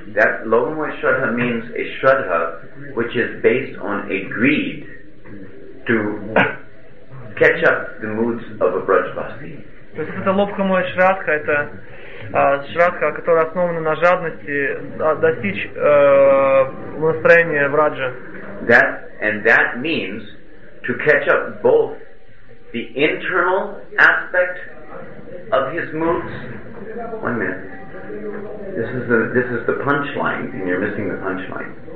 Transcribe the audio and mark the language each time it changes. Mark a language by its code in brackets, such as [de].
[en] That lobha moya shraddha means a shraddha which is based on a greed to catch up the moods of a brajbasi. [ru] То есть это лобха моя шрадха, это шрадха, которая основана на жадности достичь настроения враджа. [en] That and that means to catch up both the internal aspect of his moods. One minute. This is the punchline, and you're missing the punchline.